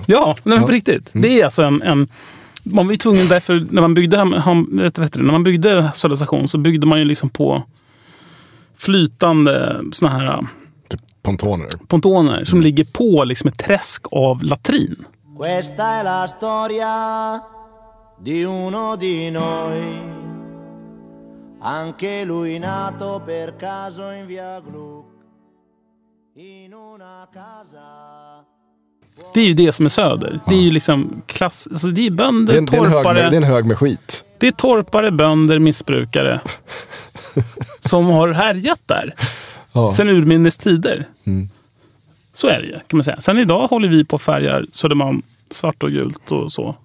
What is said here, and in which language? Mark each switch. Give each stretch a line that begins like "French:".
Swedish: Ja, men på riktigt. Mm. Det är alltså en man var ju tvungen därför när man byggde när man byggde Södra station så byggde man ju liksom på flytande såna här typ pontoner. Pontoner som ligger på liksom ett träsk av latrin.
Italian: Questa è la storia di uno di noi. Anche lui nato per caso in Via Gluck in una casa.
Swedish: Det är ju det som är söder. Ja. Det är ju liksom klass... Alltså det är bönder, det är en, torpare... Det är en hög med skit. Det är torpare, bönder, missbrukare som har härjat där. Ja. Sen urminnes tider. Mm. Så är det ju, kan man säga. Sen idag håller vi på färgar Södermalm svart och gult och så.